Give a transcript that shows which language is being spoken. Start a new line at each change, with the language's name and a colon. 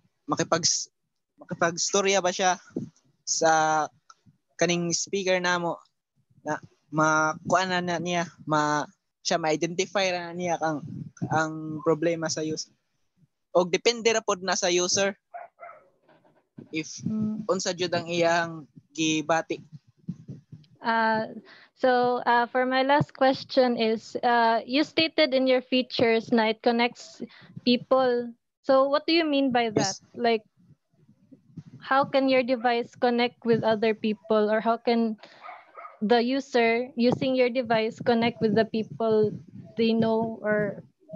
Cebuano: Makipag-storya ba siya sa kaning speaker na mo, na makuan na niya, siya ma-identify na niya ang problema sa user. O depende ra pod na sa user. If unsa jud ang iyang gibati.
English: For my last question is, you stated in your features na it connects people. So what do you mean by that? Yes. Like, how can your device connect with other people, or how can the user using your device connect with the people they know, or